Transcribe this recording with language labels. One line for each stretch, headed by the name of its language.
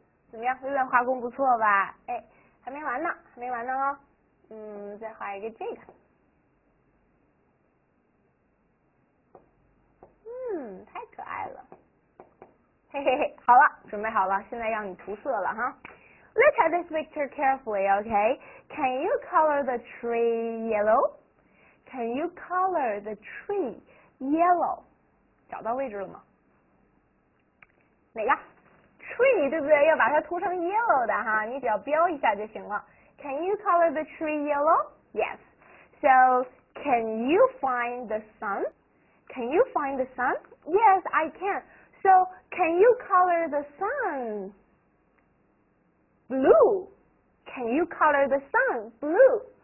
Chinese: 怎么样，微微画工不错吧？哎，还没完呢，还没完呢哦。嗯，再画一个这个。嗯，太可爱了。嘿嘿，好了，准备好了，现在让你涂色了哈。
English: Look at this picture carefully, okay? Can you color the tree yellow? Can you color the tree yellow?
Chinese: 找到位置了吗？哪个 tree 对不对？要把它涂成 yellow 的哈，你只要标一下就行了。
English: Can you color the tree yellow? Yes. So can you find the sun? Can you find the sun? Yes, I can. So can you color the sun blue? Can you color the sun blue?